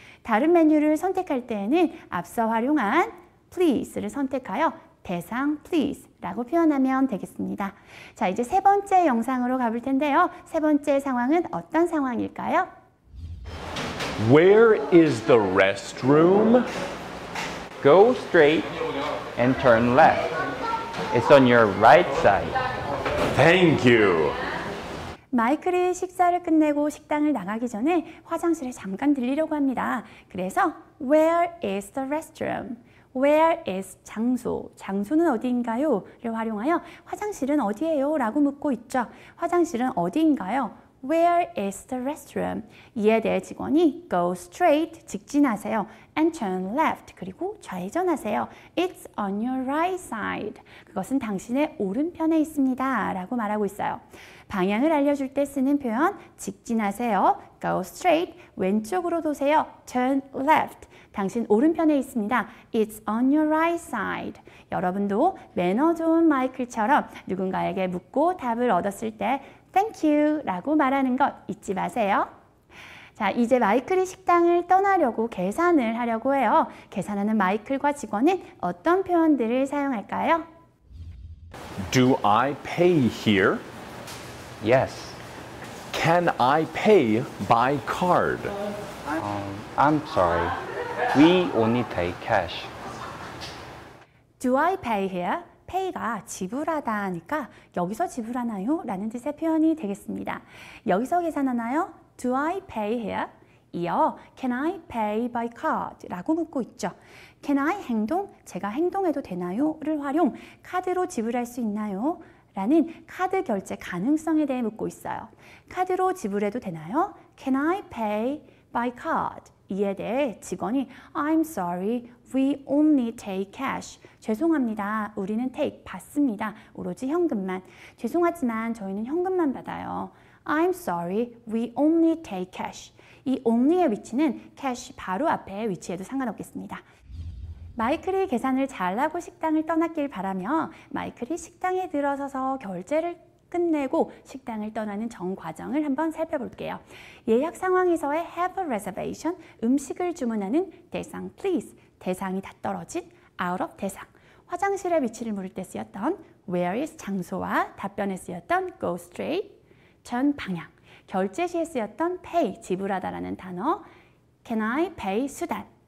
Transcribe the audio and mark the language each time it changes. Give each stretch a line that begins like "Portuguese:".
Korean: 다른 메뉴를 선택할 때에는 앞서 활용한 please를 선택하여 대상 please 라고 표현하면 되겠습니다. 자, 이제 세 번째 영상으로 가볼 텐데요. 세 번째 상황은 어떤 상황일까요?
English: Where is the restroom? Go straight and turn left. It's on your right side. Thank you.
Korean: 마이클이 식사를 끝내고 식당을 나가기 전에 화장실에 잠깐 들리려고 합니다. 그래서
English: Where is the restroom? Where is
Korean: 장소? 장소는 어디인가요? 를 활용하여 화장실은 어디예요? 라고 묻고 있죠. 화장실은 어디인가요?
English: Where is the restroom?
Korean: 이에 대해 직원이
English: Go straight,
Korean: 직진하세요.
English: And turn left,
Korean: 그리고 좌회전하세요.
English: It's on your right side.
Korean: 그것은 당신의 오른편에 있습니다. 라고 말하고 있어요. 방향을 알려줄 때 쓰는 표현, 직진하세요.
English: Go straight,
Korean: 왼쪽으로 도세요.
English: Turn left,
Korean: 당신 오른편에 있습니다.
English: It's on your right side.
Korean: 여러분도 매너 좋은 마이클처럼 누군가에게 묻고 답을 얻었을 때
English: Thank you
Korean: 라고 말하는 것 잊지 마세요. 자, 이제 마이클이 식당을 떠나려고 계산을 하려고 해요. 계산하는 마이클과 직원은 어떤 표현들을 사용할까요?
English: Do I pay here? Yes. Can I pay by card? I'm sorry. We only take cash. Do I pay here?
Korean: pay가 지불하다 하니까 여기서 지불하나요? 라는 뜻의 표현이 되겠습니다. 여기서 계산하나요?
English: Do I pay here?
Korean: 이어
English: Can I pay by card?
Korean: 라고 묻고 있죠.
English: Can I
Korean: 행동? 제가 행동해도 되나요? 를 활용 카드로 지불할 수 있나요? 라는 카드 결제 가능성에 대해 묻고 있어요. 카드로 지불해도 되나요?
English: Can I pay by card?
Korean: 이에 대해 직원이
English: I'm sorry, we only take cash.
Korean: 죄송합니다. 우리는 take 받습니다. 오로지 현금만. 죄송하지만 저희는 현금만 받아요.
English: I'm sorry, we only take cash.
Korean: 이 only의 위치는 cash 바로 앞에 위치해도 상관없겠습니다. 마이클이 계산을 잘하고 식당을 떠났길 바라며 마이클이 식당에 들어서서 결제를 끝내고 식당을 떠나는 전 과정을 한번 살펴볼게요. 예약 상황에서의
English: have a reservation,
Korean: 음식을 주문하는 대상 please, 대상이 다 떨어진
English: out of
Korean: 대상, 화장실의 위치를 물을 때 쓰였던
English: where is
Korean: 장소와 답변에 쓰였던
English: go straight,
Korean: 전 방향, 결제 시에 쓰였던 pay, 지불하다 라는 단어,
English: can I pay
Korean: 수단.